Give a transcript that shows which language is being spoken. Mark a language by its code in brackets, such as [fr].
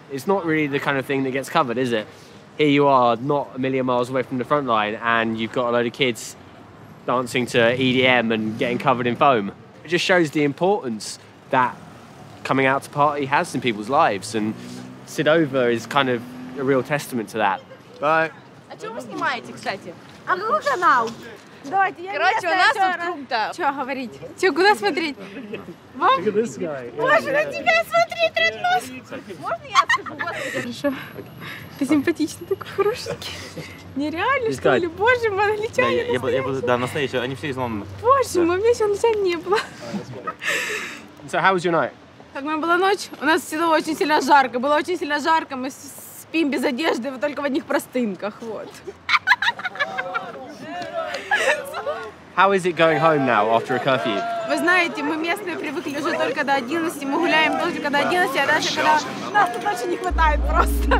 [en] It's not really the kind of thing that gets covered, is it? Here you are, not a million miles away from the front line, and you've got a load of kids dancing to EDM and getting covered in foam. It just shows the importance that coming out to party has in people's lives, and Sidova is kind of a real testament to that. Bye. [ru] А чего вы снимаете, кстати? А нужно нам? Короче, у нас тут круто. Чё говорить? Чё, куда смотреть? Вам? Боже, на тебя смотреть, Реднос! Можно я скажу? Хорошо. Ты симпатичный такой, хорошенький. Нереально, что ли? Боже мой, англичане настоящие. Да, настоящие, они все из Лондона. Боже мой, у меня ещё англичан не было. [en] So, how was your night? [ru] Как у меня была ночь? У нас всегда очень сильно жарко. Было очень сильно жарко, мы спим без одежды, только в одних простынках, вот. [en] How is it going home now after a curfew? [ru] Вы знаете, мы местные привыкли уже только до 11, мы гуляем только до 11, а даже когда нас тут больше не хватает просто.